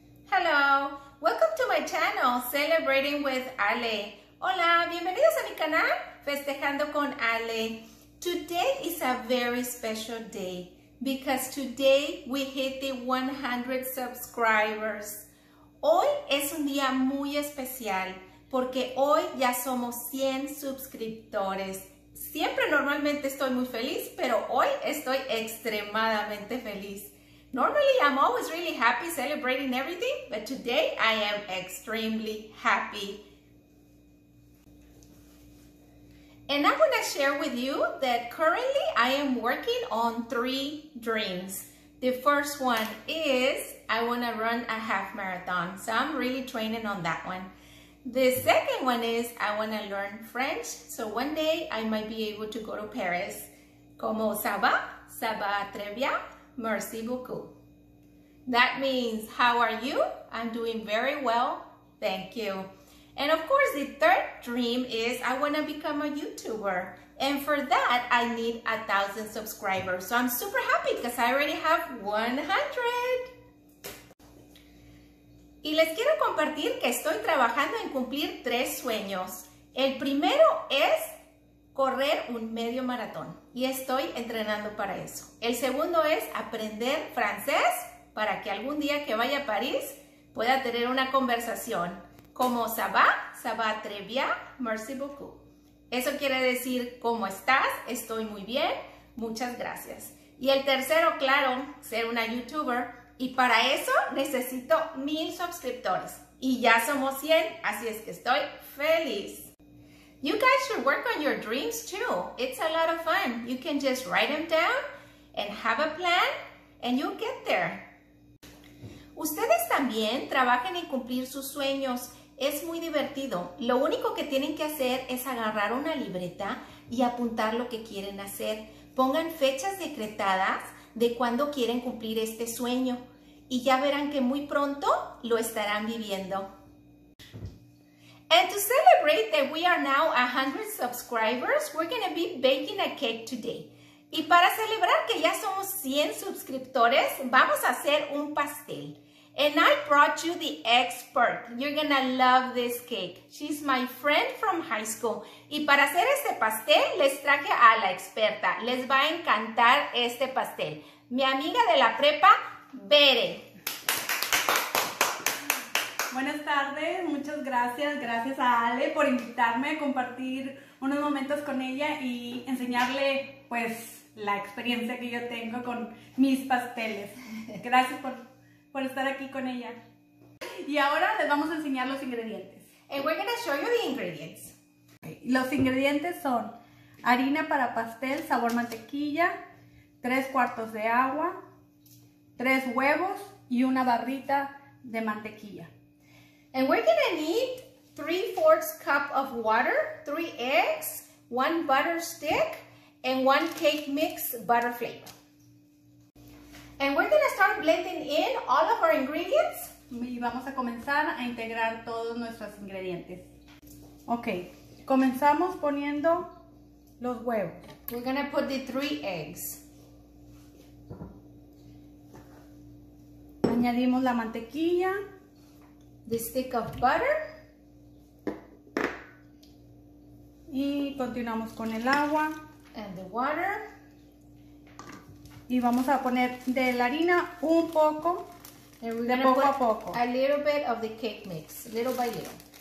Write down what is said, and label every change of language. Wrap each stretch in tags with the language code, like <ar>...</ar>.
<en>Hello, welcome to my channel, Celebrating with Ale.</en> <es>Hola, bienvenidos a mi canal, Festejando con Ale.</es> <en>Today is a very special day because today we hit the 100 subscribers.</en> <es>Hoy es un día muy especial porque hoy ya somos 100 suscriptores. Siempre normalmente estoy muy feliz, pero hoy estoy extremadamente feliz.</es> <en>Normally, I'm always really happy celebrating everything, but today I am extremely happy. And I want to share with you that currently I am working on 3 dreams. The first one is I want to run a half marathon, so I'm really training on that one. The second one is I want to learn French, so one day I might be able to go to Paris.</en> <fr>¿Cómo ça va? ¿Ça va très bien? Merci beaucoup.</fr> <en>That means, how are you? I'm doing very well, thank you. And of course, the third dream is I want to become a YouTuber. And for that, I need 1,000 subscribers. So I'm super happy because I already have 100.</en> <es>Y les quiero compartir que estoy trabajando en cumplir 3 sueños. El primero es correr un medio maratón y estoy entrenando para eso. El segundo es aprender francés para que algún día que vaya a París pueda tener una conversación.</es> <fr>¿Cómo ça va? ¿Ça va très bien? Merci beaucoup.</fr> <es>Eso quiere decir, ¿cómo estás? Estoy muy bien. Muchas gracias. Y el tercero, claro, ser una YouTuber. Y para eso necesito 1,000 suscriptores. Y ya somos 100, así es que estoy feliz.</es> <en>You guys should work on your dreams too. It's a lot of fun. You can just write them down and have a plan and you'll get there.</en> <es>Ustedes también trabajen en cumplir sus sueños. Es muy divertido. Lo único que tienen que hacer es agarrar una libreta y apuntar lo que quieren hacer. Pongan fechas decretadas de cuando quieren cumplir este sueño y ya verán que muy pronto lo estarán viviendo.</es> <en>And to celebrate that we are now 100 subscribers, we're going to be baking a cake today.</en> <es>Y para celebrar que ya somos 100 suscriptores, vamos a hacer un pastel.</es> <en>And I brought you the expert. You're going to love this cake. She's my friend from high school.</en> <es>Y para hacer este pastel, les traje a la experta. Les va a encantar este pastel. Mi amiga de la prepa, Bere. Buenas tardes, muchas gracias. Gracias a Ale por invitarme a compartir unos momentos con ella y enseñarle, pues, la experiencia que yo tengo con mis pasteles. Gracias por estar aquí con ella. Y ahora les vamos a enseñar los ingredientes.</es> <en>And we're going to show you the ingredients.</en> <es>Los ingredientes son harina para pastel, sabor mantequilla, 3/4 de agua, 3 huevos y una barrita de mantequilla.</es> <en>And we're going to need 3/4 cup of water, 3 eggs, 1 butter stick, and 1 cake mix butter flavor. And we're going to start blending in all of our ingredients.</en> <es>Y vamos a comenzar a integrar todos nuestros ingredientes. Okay, comenzamos poniendo los huevos.</es> <en>We're going to put the 3 eggs.</en> <es>Añadimos la mantequilla.</es> <en>The stick of butter.</en> <es>Y continuamos con el agua.</es> <en>And the water.</en> <es>Y vamos a poner de la harina un poco. De poco a poco.</es> <en>A little bit of the cake mix, little by little.</en>